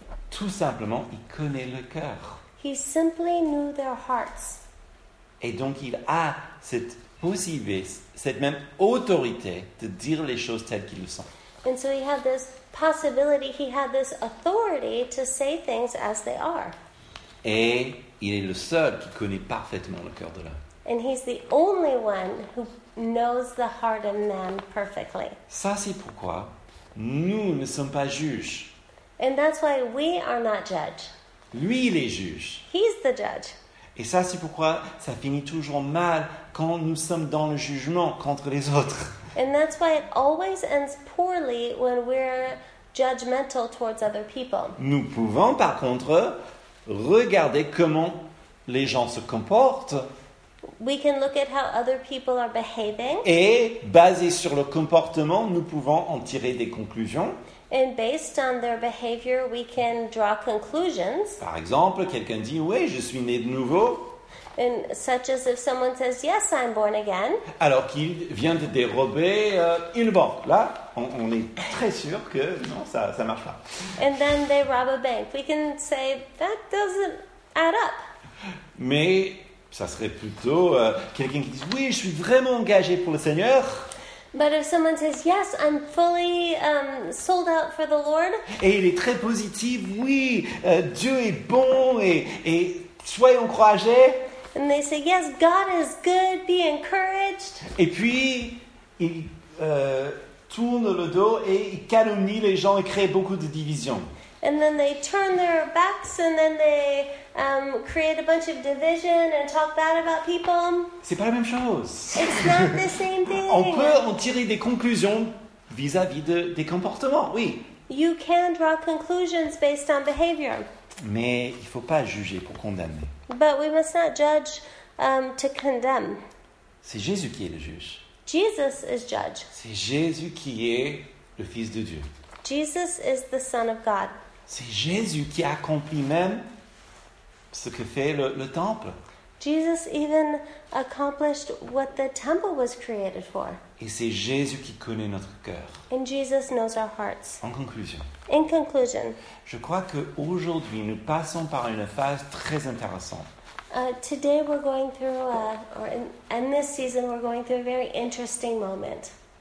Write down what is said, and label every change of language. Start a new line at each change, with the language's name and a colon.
French: Tout simplement, il connaît le cœur.
English: He simply knew their hearts.
French: Et donc, il a cette possibilité, cette même autorité de dire les choses telles qu'il le sent.
English: And so he had this possibility, he had this authority to say things as they are.
French: Et il est le seul qui connaît parfaitement le cœur de l'homme.
English: And he's the only one who knows the heart of man perfectly.
French: Ça, c'est pourquoi nous ne sommes pas juges.
English: And that's why we are not judge.
French: Lui, il est juge.
English: He's the judge.
French: Et ça, c'est pourquoi ça finit toujours mal quand nous sommes dans le jugement contre les autres.
English: And that's why it always ends poorly when we're judgmental towards other people.
French: Nous pouvons, par contre, regarder comment les gens se comportent.
English: We can look at how other people are behaving.
French: Et basé sur le comportement, nous pouvons en tirer des conclusions.
English: And based on their behavior, we can draw conclusions.
French: Par exemple, quelqu'un dit, oui, je suis né de nouveau.
English: And such as if someone says, yes, I'm born again.
French: Alors qu'il vient de dérober une banque. Là, on est très sûr que non, ça marche pas.
English: And then they rob a bank. We can say, that doesn't add up.
French: Mais ça serait plutôt quelqu'un qui dit « Oui, je suis vraiment engagé pour le Seigneur. »
English: But if someone says « Yes, I'm fully sold out for the Lord. »
French: Et il est très positif. « Oui, Dieu est bon et soyez encouragés.
English: And they say, yes, God is good, be encouraged.
French: Et puis, il tourne le dos et il calomnie les gens et crée beaucoup de divisions.
English: And then they turn their backs and then they create a bunch of division and talk bad about people.
French: C'est pas la même chose.
English: It's not the same thing.
French: On peut en tirer des conclusions vis-à-vis de, des comportements, oui.
English: You can draw conclusions based on behavior.
French: Mais il ne faut pas juger pour condamner.
English: But we must not judge to condemn.
French: C'est Jésus qui est le juge.
English: Jesus is judge.
French: C'est Jésus qui est le Fils de Dieu.
English: Jesus is the Son of God.
French: C'est Jésus qui accomplit même ce que fait le temple.
English: Jesus even accomplished what the temple was created for.
French: Et c'est Jésus qui connaît notre cœur.
English: And Jesus knows our hearts.
French: En conclusion.
English: In conclusion.
French: Je crois que aujourd'hui nous passons par une phase très intéressante.
English: Today we're going through in this season we're going through a very interesting moment.